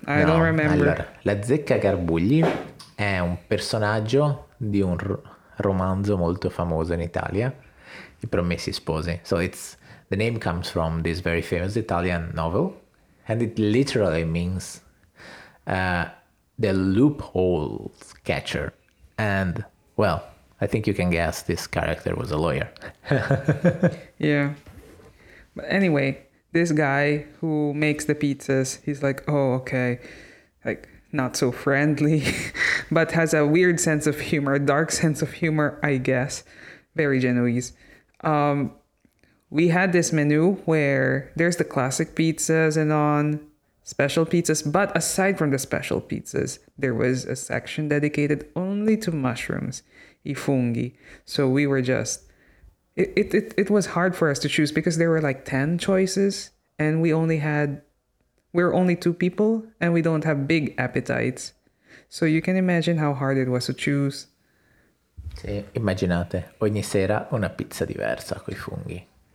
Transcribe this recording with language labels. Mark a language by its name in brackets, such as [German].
[Italian] Allora, La Zecca Garbugli è un personaggio di un romanzo molto famoso in Italia, I Promessi Sposi. [English] So it's the name comes from this very famous Italian novel, and it literally means the loophole catcher. And well, I think you can guess this character was a lawyer. Yeah. But anyway, this guy who makes the pizzas, he's like, oh, okay, like not so friendly, but has a weird sense of humor, a dark sense of humor, I guess. Very Genoese. We had this menu where there's the classic pizzas and on special pizzas. But aside from the special pizzas, there was a section dedicated only to mushrooms, I funghi. So we were just, it was hard for us to choose because there were like 10 choices. And we're only two people and we don't have big appetites. So you can imagine how hard it was to choose. [Italian] Sì, immaginate, ogni sera una pizza diversa con I funghi.